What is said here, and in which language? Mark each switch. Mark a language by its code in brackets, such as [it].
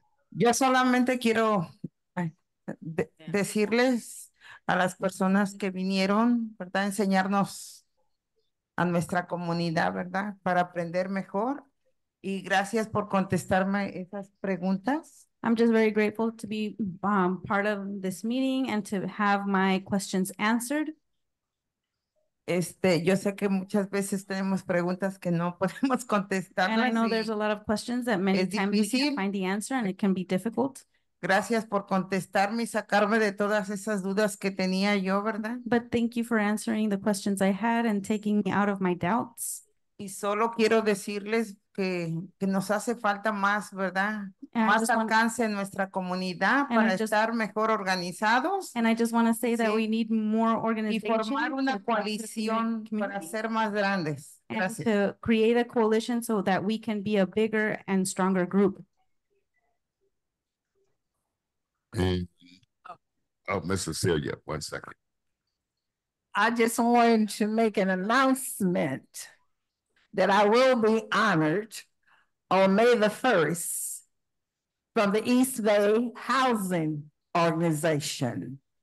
[es] Yo solamente quiero decirles a las personas que vinieron, ¿verdad?, enseñarnos a nuestra comunidad, ¿verdad?, para aprender mejor. Y gracias por contestarme esas preguntas. [en] I'm just very grateful to be part of this meeting and to have my questions answered. [es] Yo sé que muchas veces tenemos preguntas que no podemos contestar. [en] And I know there's a lot of questions that many times we can't find the answer, and it can be difficult. [es] Gracias por contestarme y sacarme de todas esas dudas que tenía yo, ¿verdad? [en] But thank you for answering the questions I had and taking me out of my doubts. [es] Y solo quiero decirles que nos hace falta más, ¿verdad? [en] And [es] más alcance en nuestra comunidad para estar mejor organizados. [en] And I just want to say that we need more organization. [es] Y formar una coalición para ser más grandes. Gracias. [en] And to create a coalition so that we can be a bigger and stronger group. Oh, Miss Cecilia, one second. I just wanted to make an announcement that I will be honored on May the 1st from the East Bay Housing Organization.